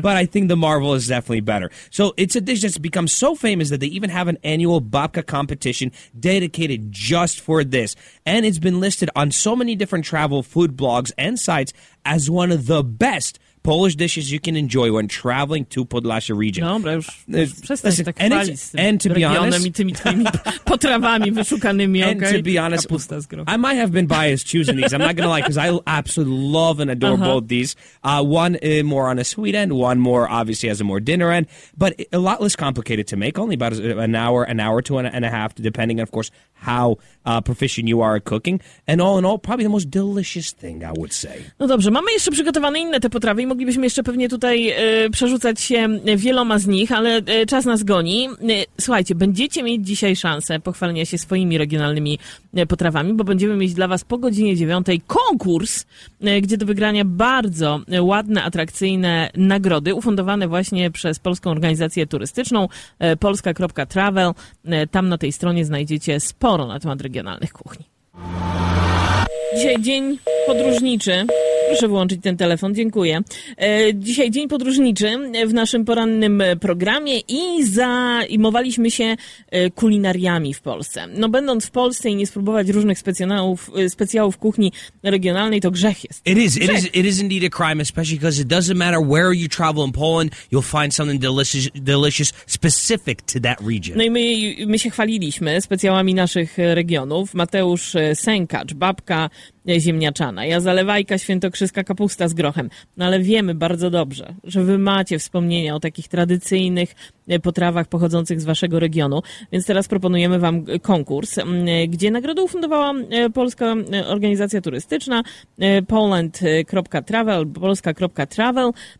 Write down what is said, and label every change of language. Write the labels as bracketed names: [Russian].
[English] But I think the marvel is definitely better. So it's a dish that's become so famous that they even have an annual babka competition dedicated just for this. And it's been listed on so many different travel food blogs and sites as one of the best Polish dishes you can enjoy when traveling to Podlasia region. [Polish] Dobra, już przestań listen, tak chwalić [English] and to be honest, [Polish] tymi potrawami wyszukanymi, [English] and okay? To be honest, [Polish] kapusta z grochu. [English] I might have been biased choosing these. I'm not going to lie, because I absolutely love and adore both these. One more on a sweet end, one more obviously has a more dinner end, but a lot less complicated to make, only about an hour to an and a half, depending, of course, how proficient you are at cooking. And all in all, probably the most delicious thing, I would say. [Polish] No dobrze, mamy jeszcze przygotowane inne te potrawy i moglibyśmy jeszcze pewnie tutaj przerzucać się wieloma z nich, ale czas nas goni. Słuchajcie, będziecie mieć dzisiaj szansę pochwalenia się swoimi regionalnymi potrawami, bo będziemy mieć dla was po godzinie 9 konkurs, gdzie do wygrania bardzo ładne, atrakcyjne nagrody, ufundowane właśnie przez Polską Organizację Turystyczną, polska.travel. Tam na tej stronie znajdziecie sporo na temat regionalnych kuchni. Dzisiaj dzień podróżniczy. Proszę wyłączyć ten telefon, dziękuję. Dzisiaj dzień podróżniczy w naszym porannym programie i zajmowaliśmy się kulinariami w Polsce. No będąc w Polsce i nie spróbować różnych specjałów kuchni regionalnej, to grzech jest. [English] It is indeed a crime, especially because it doesn't matter where you travel in Poland, you'll find something delicious specific to that region. [Polish] No i my się chwaliliśmy specjałami naszych regionów. Mateusz Sękacz, babka ziemniaczana, ja zalewajka świętokrzyska kapusta z grochem. No ale wiemy bardzo dobrze, że wy macie wspomnienia o takich tradycyjnych potrawach pochodzących z waszego regionu, więc teraz proponujemy wam konkurs, gdzie nagrodę ufundowała Polska Organizacja Turystyczna, poland.travel, polska.travel.